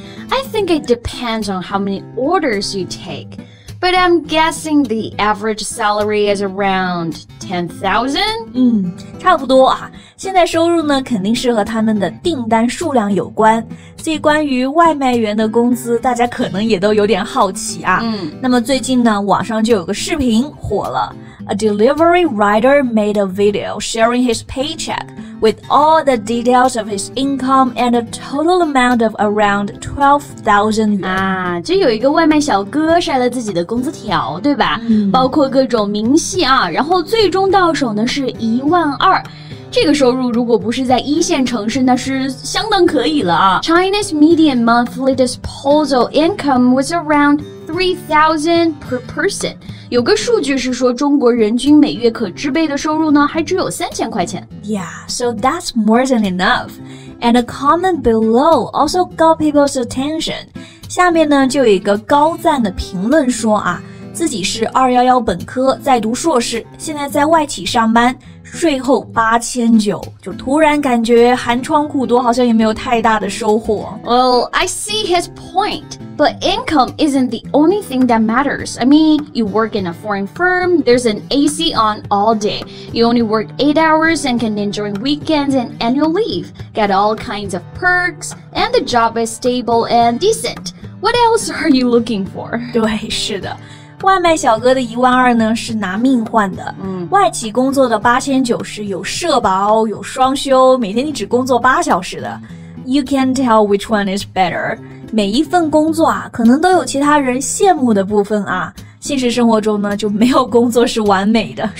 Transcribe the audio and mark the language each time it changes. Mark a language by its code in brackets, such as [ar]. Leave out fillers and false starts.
[en] I think it depends on how many orders you take. But I'm guessing the average salary is around 10,000? [zh] 差不多啊。现在收入呢肯定是和他们的订单数量有关。所以关于外卖员的工资大家可能也都有点好奇啊。那么最近呢网上就有个视频火了。 [en] A delivery rider made a video sharing his paycheck with all the details of his income and a total amount of around 12,000 yuan. [zh] 就有一个外卖小哥晒了自己的工资条对吧、包括各种明细啊然后最终到手呢是12,000。这个收入如果不是在一线城市那是相当可以了啊。 [en] China's median monthly disposable income was around 3,000 per person. [zh] 有个数据是说中国人均每月可支配的收入呢还只有3000块钱。 [en] Yeah, so that's more than enough. And a comment below also got people's attention. [zh] 下面呢就有一个高赞的评论说啊。自己是211本科在读硕士现在在外企上班税后8900就突然感觉寒窗苦读好像也没有太大的收获 [en] Well, I see his point But income isn't the only thing that matters I mean, you work in a foreign firm There's an AC on all day You only work 8 hours and can enjoy weekends and annual leave Get all kinds of perks And the job is stable and decent What else are you looking for? [zh] 对，是的外卖小哥的12,000呢是拿命换的外企工作的8900是有社保有双休每天你只工作8小时的 [en] You can tell which one is better [zh] 每一份工作啊可能都有其他人羡慕的部分啊现实生活中呢就没有工作是完美的